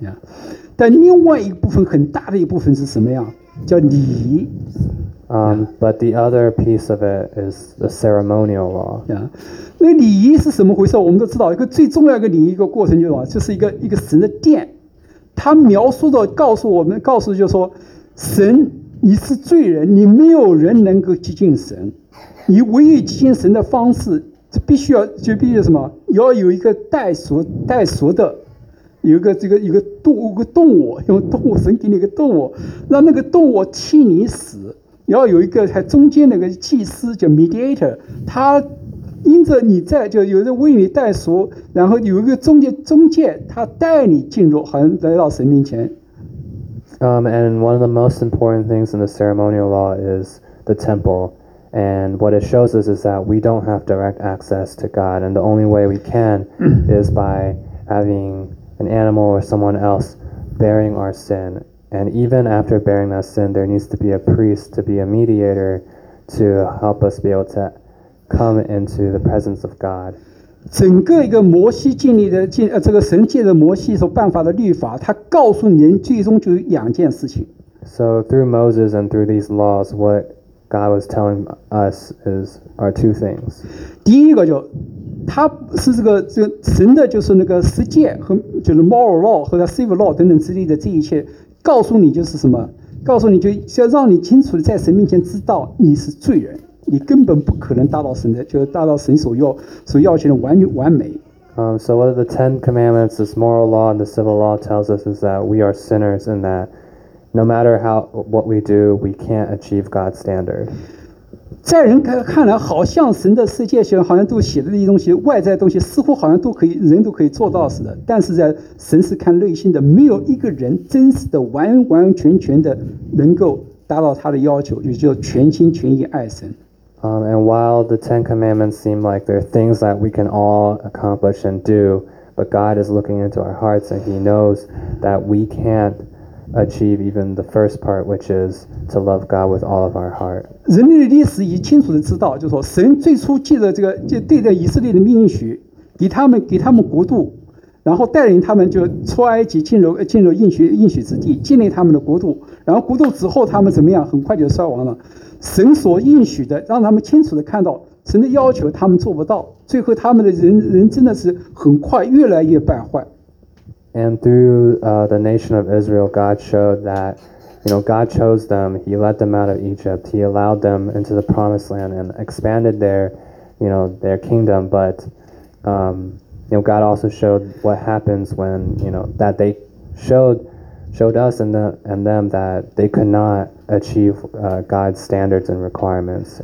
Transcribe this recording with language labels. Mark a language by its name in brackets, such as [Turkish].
[English] Yeah. [Chinese] 但另外一部分很大的一部分是什么呀？叫礼仪。 [English] But the other piece of it is the ceremonial law. Yeah. [Chinese] 那礼仪是什么回事？我们都知道，一个最重要的礼仪一个过程就是什么？就是一个神的殿。他描述的告诉我们，告诉就是说神。你是罪人，你没有人能够接近神，你唯一接近神的方式必须什么，要有一个带赎的，有一个这个一个动物，一个动物，用动物，神给你一个动物，让那个动物替你死，要有一个还中间那个祭司叫 mediator， 他因着你在就有人为你带赎，然后有一个中介他带你进入，好像来到神面前。 [English] And one of the most important things in the ceremonial law is the temple. And what it shows us is that we don't have direct access to God, and the only way we can is by having an animal or someone else bearing our sin. And even after bearing that sin, there needs to be a priest to be a mediator to help us be able to come into the presence of God. [Chinese] 整个一个摩西建立的这个神借着摩西所颁发的律法，他告诉人最终就有两件事情。 [English] So through Moses and through these laws, what God was telling us is are two things. [Chinese] 第一个就他是这个神的就是那个十诫和就是 moral law 和 civil law 等等之类的这一切。告诉你就是什么？告诉你就是要让你清楚的在神面前知道你是罪人，你根本不可能达到神的，就是达到神所要求的完美。 [English] So what are the Ten Commandments, this moral law and the civil law tells us is that we are sinners and that no matter what we do, we can't achieve God's standard. [Chinese] 在人看来，好像神的世界好像都写的一东西，外在东西似乎好像都可以，人都可以做到似的。但是在神是看内心的，没有一个人真实的、完完全全的能够达到他的要求，也就是全心全意爱神。 [English] And while the Ten Commandments seem like they're things that we can all accomplish and do, but God is looking into our hearts and He knows that we can't. Achieve even the first part, which is to love God with all of our heart. [Chinese] 人类的历史已清楚的知道，就是说，神最初借着这个，就对着以色列的应许，给他们国度，然后带领他们就出埃及，进入应许之地，建立他们的国度。然后国度之后，他们怎么样？很快就衰亡了。神所应许的，让他们清楚的看到神的要求，他们做不到。最后，他们的人真的是很快越来越败坏。 [English] And through the nation of Israel, God showed that, you know, God chose them. He led them out of Egypt. He allowed them into the promised land and expanded their, you know, their kingdom. But, you know, God also showed what happens when, you know, that they showed us and them that they could not achieve God's standards and requirements.